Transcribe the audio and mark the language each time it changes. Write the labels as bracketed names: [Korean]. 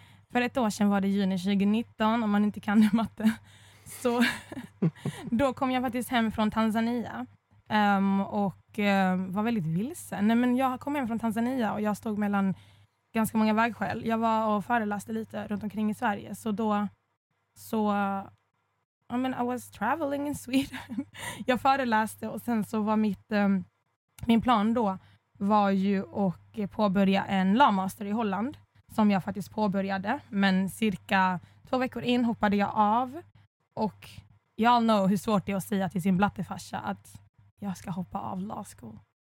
[Swedish] För ett år sedan var det juni 2019, om man inte kan det matte. Så då kom jag faktiskt hem från Tanzania. Och var väldigt vilsen. Nej, men jag kom hem från Tanzania och jag stod mellan ganska många vägskäl. Jag var och föreläste lite runt omkring i Sverige. Så då, så, [English] I mean, I was traveling in Sweden. [Swedish] Jag föreläste och sen så var mitt, min plan då var ju att påbörja en law master i Holland. Som jag faktiskt påbörjade. Men cirka 2 veckor in hoppade jag av. Och [English] y'all know [Swedish] hur svårt det är att säga till sin blattefarsa att jag ska hoppa av [English] law school.